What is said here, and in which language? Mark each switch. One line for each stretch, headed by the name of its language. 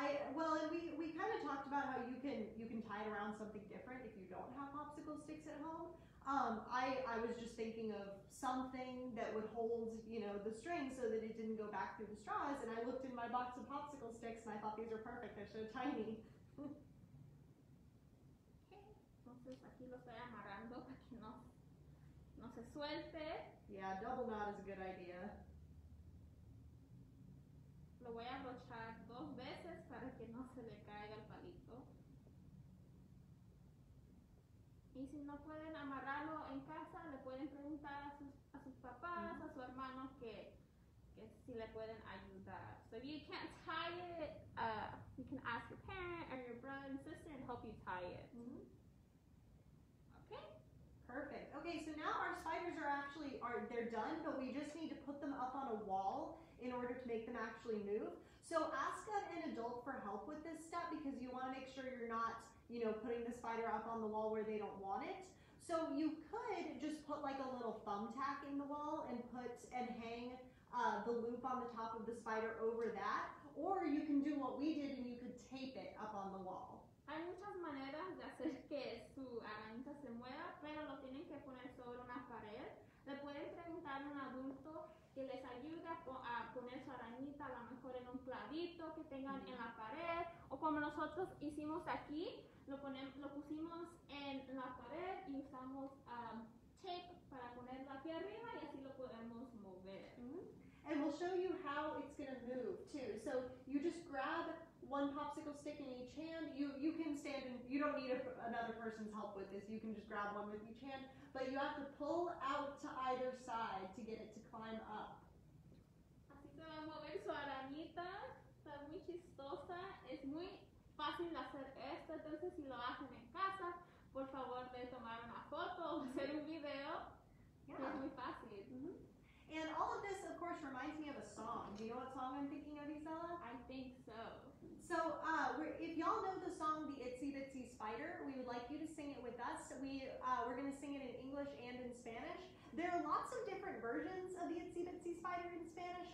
English: Well, and we kind of talked about how you can tie it around something different if you don't have popsicle sticks at home. I was just thinking of something that would hold, the string so that it didn't go back through the straws. And I looked in my box of popsicle sticks and I thought these are perfect. They're so tiny.
Spanish: Okay, entonces aquí lo estoy amarrando para que no se suelte.
English: Yeah, double knot is a good idea.
Spanish: Lo voy a abrochar dos veces para que no se le caiga el palito. Y si no pueden amarrarlo en casa, le pueden preguntar a sus papás, mm-hmm. a su hermano, que si le pueden ayudar.
English: So if you can't tie it, you can ask your parent or your brother and sister and help you tie it. Mm-hmm. Okay? Perfect. Okay, so now our spiders are done, but we just need to put them up on a wall in order to make them actually move. So ask an adult for help with this step because you want to make sure you're not, putting the spider up on the wall where they don't want it. So you could just put like a little thumbtack in the wall and hang the loop on the top of the spider over that. Or you can do what we did and you could tape it up on the wall.
Spanish: Hay muchas maneras de hacer que su arañita se mueva, pero lo tienen que poner sobre una pared. Le pueden preguntar a un adulto que les ayude a poner su arañita a lo mejor en un clavito que tengan mm-hmm. en la pared, o como nosotros hicimos aquí, lo pusimos en la pared y usamos tape para ponerlo aquí arriba y así lo podemos mover. Mm-hmm.
English: And we'll show you how it's going to move too. So you just grab one popsicle stick in each hand. You can stand and you don't need another person's help with this. You can just grab one with each hand, but you have to pull out to either side to get it to climb up.
Spanish: Así se va a mover su arañita. Está muy chistosa. Es muy fácil hacer esto. Entonces, si lo hacen en casa, por favor, de tomar una foto o hacer un video.
English: Yeah.
Spanish: Es muy fácil. Mm-hmm.
English: And all of this, of course, reminds me of a song. Do you know what song I'm thinking of, Isela? I think so. So if y'all know the song, The Itsy Bitsy Spider, we would like you to sing it with us. We're going to sing it in English and in Spanish. There are lots of different versions of The Itsy Bitsy Spider in Spanish.